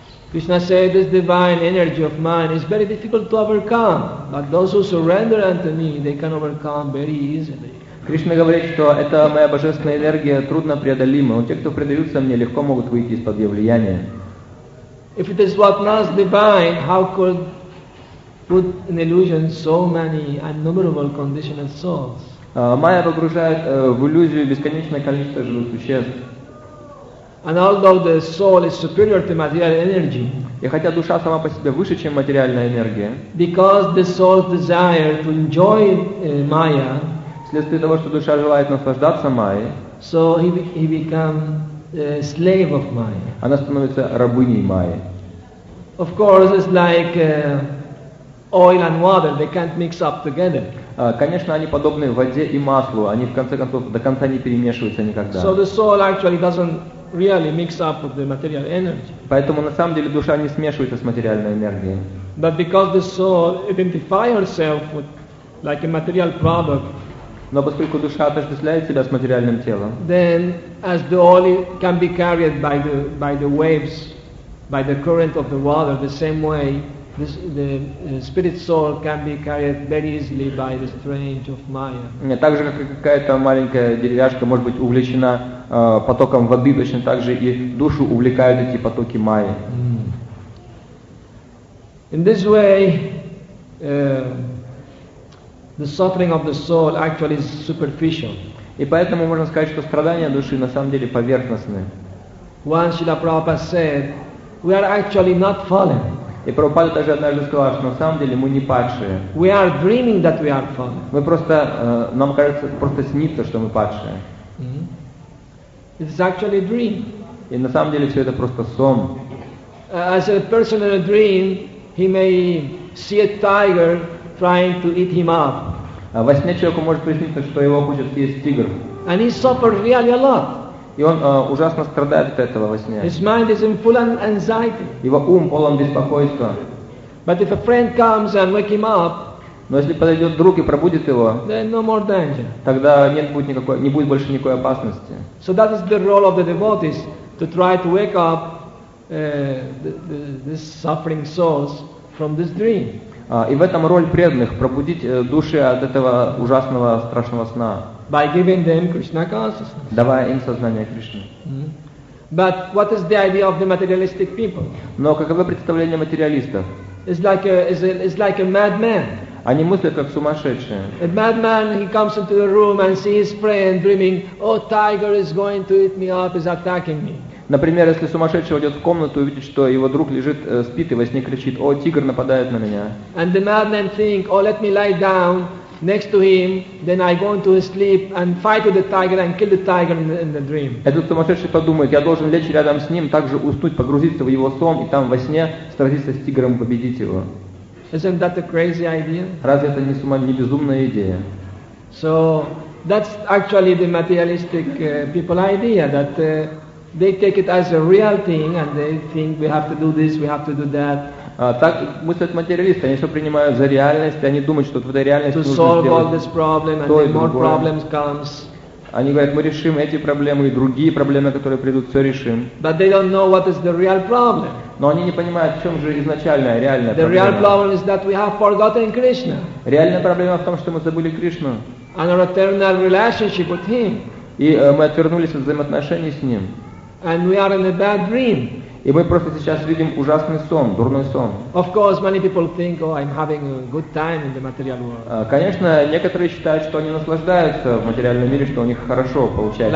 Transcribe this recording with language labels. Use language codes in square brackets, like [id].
[en] Krishna said, this divine energy of mine is very difficult to overcome, but those who surrender unto me, they can overcome very easily. [ru] Кришна говорит, что это моя божественная энергия труднопреодолима, но те, кто предаются мне, легко могут выйти из-под ее влияния. [en] If it is what not divine, how could put in illusion so many innumerable conditioned souls? [ru] Майя погружает в иллюзию бесконечное количество живых существ. [en] And although the soul is superior to material energy, [ru] и хотя душа сама по себе выше, чем материальная энергия, [en] because the soul's desire to enjoy Maya, [ru] вследствие того, что душа желает наслаждаться Майей, [en] so he becomes a slave of Maya. [ru] Она становится рабыней Майи. [en] Of course, it's like oil and water; they can't mix up together. [ru] Конечно, они подобны воде и маслу; они в конце концов до конца не перемешиваются никогда. [en] So the soul actually doesn't really mix up with the material energy. [ru] Поэтому на самом деле душа не смешивается с материальной энергией. [en] But because the soul identifies herself with like a material product. [ru] Но поскольку душа отождествляет себя с материальным телом. [en] Then as the oil can be carried by the waves, by the current of the water, the same way the spirit soul can be carried very easily by the strange of Maya. [ru] Нет, так же, как какая-то маленькая деревяшка может быть увлечена потоком воды, точно так же и душу увлекают эти потоки Майи. [en] In this way, the suffering of the soul actually is superficial. [ru] И поэтому можно сказать, что страдания души на самом деле поверхностны. [en] Once Srila Prabhupada said, we are actually not fallen. [ru] И Прабхупада также однажды сказал, что на самом деле мы не падшие. [en] We are dreaming that we are fallen. [ru] Мы просто, нам кажется, просто снится, что мы падшие. [en] It is actually a dream. [ru] И на самом деле все это просто сон. [en] As a person in a dream, he may see a tiger trying to eat him up. [ru] Во сне человеку может присниться, что его хочет съесть тигр. [en] And he suffers really a lot. [ru] И он ужасно страдает от этого во сне. [en] His mind is in full anxiety. [ru] Его ум полон беспокойства. [en] But if a friend comes and wake him up, [ru] но если подойдет друг и пробудит его, [en] then no more danger. [ru] Тогда не будет больше никакой опасности. [en] So that is the role of the devotees, to try to wake up this suffering souls from this dream. [ru] И в этом роль преданных — пробудить души от этого ужасного, страшного сна. [en] By giving them Krishna consciousness. [ru] Давая им сознание Кришны. [en] But what is the idea of the materialistic people? [ru] Но каково представление материалистов? [en] It's like a madman. [ru] Они мыслят как сумасшедшие. [en] A madman, he comes into the room and sees his friend dreaming, oh, tiger is going to eat me up, is attacking me. [ru] Например, если сумасшедший войдет в комнату и увидит, что его друг лежит, спит и во сне кричит, о, тигр нападает на меня. [en] And the madman think, oh, let me lie down next to him, then I go into his sleep and fight with the tiger and kill the tiger in the dream. [ru] Этот сумасшедший подумает, я должен лечь рядом с ним, также уснуть, погрузиться в его сон и там во сне сразиться с тигром, победить его. [en] Isn't that a crazy idea? [ru] Разве это не сума, не безумная идея? [en] So that's actually the materialistic people idea that they take it as a real thing and they think we have to do this, we have to do that. [ru] Так мыслят материалисты, они все принимают за реальность, и они думают, что в этой реальности нужно сделать [en] problem, [ru] то и другое. Они говорят, мы решим эти проблемы и другие проблемы, которые придут, все решим. [en] But they don't know what is the real problem. [ru] Но они не понимают, в чем же изначальная, реальная [en] the [ru] проблема. [en] Real problem is that we have forgotten Krishna. [ru] Реальная проблема в том, что мы забыли Кришну. [en] And our eternal relationship with him. [ru] И мы отвернулись от взаимоотношений с Ним. [en] And we are in a bad dream. [ru] И мы просто сейчас видим ужасный сон, дурной сон. [en] Of course, many people think, oh, I'm having a good time in the material world. [ru] Конечно, некоторые считают, что они наслаждаются в материальном мире, что у них хорошо получается.